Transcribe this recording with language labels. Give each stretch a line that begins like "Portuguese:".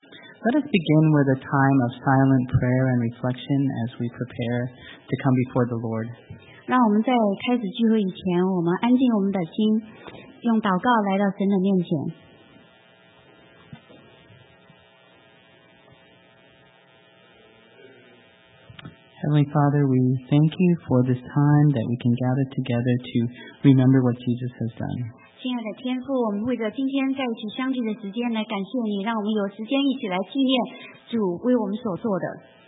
English: Let us begin with a time of silent prayer and reflection as we prepare to come before the Lord.
Chinese: 让我们在开始聚会以前，我们安静我们的心，用祷告来到神的面前。
English: Heavenly Father, we thank you for this time that we can gather together to remember what Jesus has done.
Chinese: 亲爱的天父，我们为着今天在一起相聚的时间来感谢你，让我们有时间一起来纪念主为我们所做的。